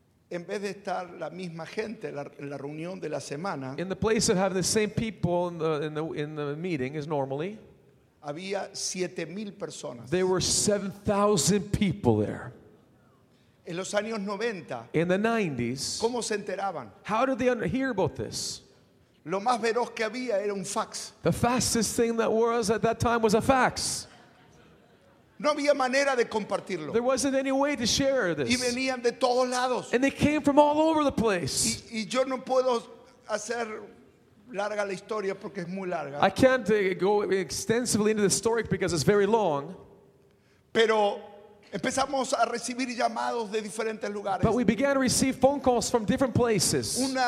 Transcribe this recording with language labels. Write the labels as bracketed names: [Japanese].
[Spanish] en vez de estar la misma gente en la reunión de la semana, [English] in the place of having the same people in the meeting as normally, [Spanish] había 7,000 personas. [English] There were 7,000 people there. [Spanish] En los años 90, [English] in the 90s, [Spanish] ¿cómo se enteraban? [English] How did they hear about this? [Spanish] Lo más veloz que había era un fax. [English] The fastest thing that was at that time was a fax. [Spanish] No había manera de compartirlo. [English] There wasn't any way to share this. [Spanish] Y venían de todos lados. [English] And they came from all over the place. [Spanish] Y yo no puedo hacer larga la historia porque es muy larga. [English] I can't go extensively into the story because it's very long. [Spanish] Pero empezamos a recibir llamados de diferentes lugares. [English] But we began to receive phone calls from different places.